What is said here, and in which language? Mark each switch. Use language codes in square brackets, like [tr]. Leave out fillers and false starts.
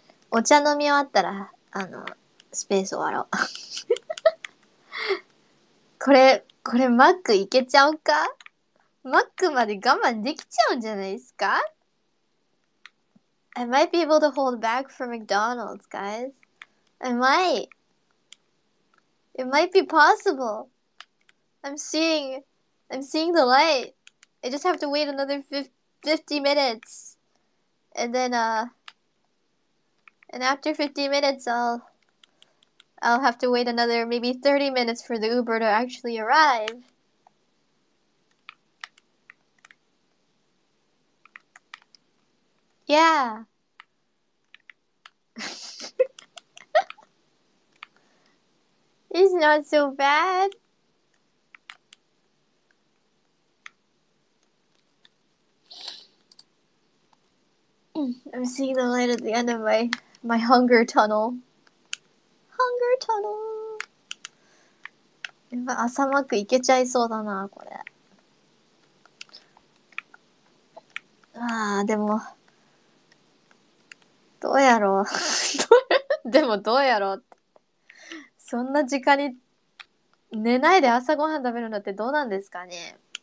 [ja] お茶飲み終わったら、スペース終わろう。これ、マックいけちゃうか？マックまで我慢できちゃうんじゃないですか？ [en] I might be able to hold back for McDonald's, guys. I might. It might be possible. I'm seeing the light. I just have to wait another 50 minutes. And then, And after 50 minutes, I'll have to wait another maybe 30 minutes for the Uber to actually arrive. Yeah. It's not so bad. I'm seeing the light at the end of my hunger tunnel. Hunger tunnel. [ja] やっぱ朝マック行けちゃいそうだな、これ。ああ、でも、どうやろう。でもどうやろうって。そんな時間に寝ないで朝ごはん食べるのってどうなんですかね。